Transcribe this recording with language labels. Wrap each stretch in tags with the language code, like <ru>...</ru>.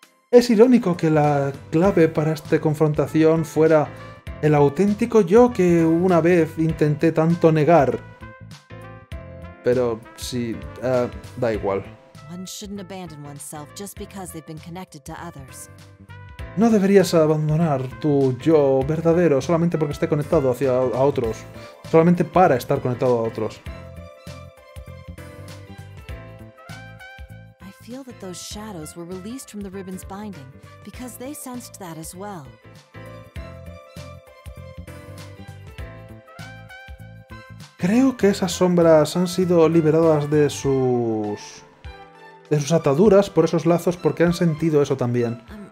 <es>Es irónico que la clave para esta confrontación fuera el auténtico yo que una vez intenté tanto negar. Pero sí, da igual.</es> <en>One shouldn't abandon oneself just because they've been connected to others.</en> <es>No deberías abandonar tu yo verdadero solamente porque esté conectado hacia a otros. Solamente para estar conectado a otros.</es> <en>I feel that those shadows were released from the ribbon's binding because they sensed that as well.</en> <es>Creo que esas sombras han sido liberadas de sus ataduras por esos lazos porque han sentido eso también.</es>